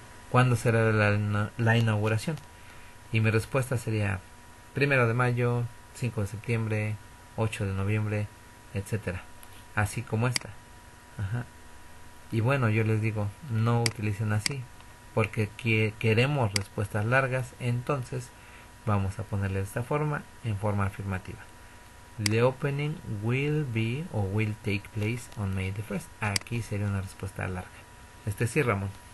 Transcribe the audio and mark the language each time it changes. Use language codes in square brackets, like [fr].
[es] ¿Cuándo será la inauguración? Y mi respuesta sería 1 de mayo, 5 de septiembre, 8 de noviembre, etcétera. Así como esta. Ajá. Y bueno, yo les digo, no utilicen así, porque queremos respuestas largas, entonces vamos a ponerle de esta forma, en forma afirmativa. [en] The opening will be or will take place on May the 1st. [es] Aquí sería una respuesta larga. Este sí, Ramón.